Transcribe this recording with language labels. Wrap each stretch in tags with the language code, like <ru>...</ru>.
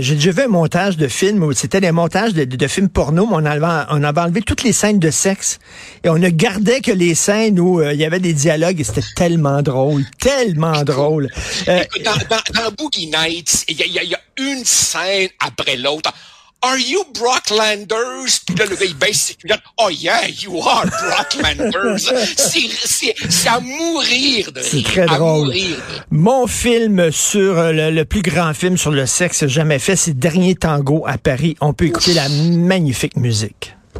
<fr>J'ai déjà vu un montage de film où c'était des montages de films porno, mais on avait enlevé toutes les scènes de sexe, et on ne gardait que les scènes où il y avait des dialogues, et c'était tellement drôle, tellement drôle. Dans Boogie Nights, il y a une scène après l'autre.</fr> <en>Are you Brock Landers?</en> <fr>Puis là, le gars, il baisse ses culottes.</fr> <en>Oh yeah, you are Brock Landers.</en> <fr>C'est à mourir de rire. C'est très drôle. Mon film sur le plus grand film sur le sexe jamais fait, c'est Dernier Tango à Paris. On peut écouter la magnifique musique.</fr>